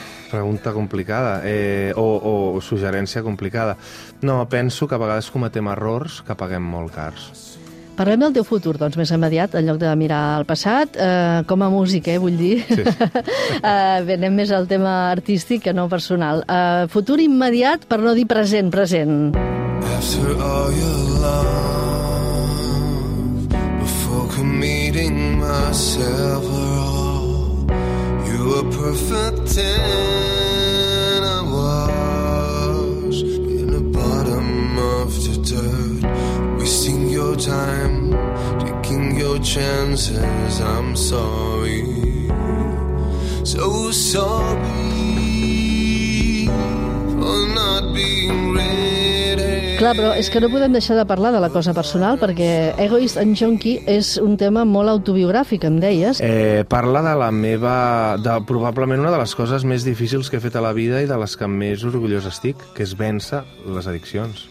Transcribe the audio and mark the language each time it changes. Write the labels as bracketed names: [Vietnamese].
[Catalan] Pregunta complicada, o suggerència complicada. No, penso que a vegades cometem errors que paguem molt cars. Parlem del teu futur, doncs, més immediat, en lloc de mirar al passat, com a músic, vull dir. Sí. anem més al tema artístic que no personal. Futur immediat, per no dir present. [English] After all your love, before committing myself at all, you were perfect and I was in the bottom of the dirt, wasting your time, chances. I'm sorry, so sorry for not being ready. [Catalan] Clar, però és que no podem deixar de parlar de la cosa personal, perquè Egoist and Junkie és un tema molt autobiogràfic, em deies. Parla de la meva... de probablement una de les coses més difícils que he fet a la vida i de les que més orgullós estic, que és vèncer les addiccions.